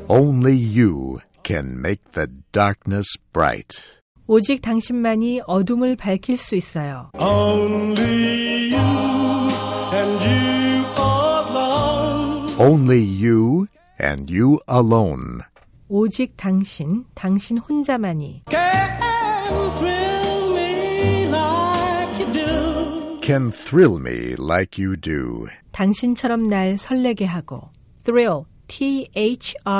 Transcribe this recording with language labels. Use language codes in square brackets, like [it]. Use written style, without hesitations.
[en] Only you can make the darkness bright. [ko] 오직 당신만이 어둠을 밝힐 수 있어요. [en] Only you and you alone. Only you and you alone. [ko] 오직 당신, 당신 혼자만이 [en] can thrill me like you do. Can thrill me like you do. [ko] 당신처럼 날 설레게 하고 thrill, T-H-R-I-L-L.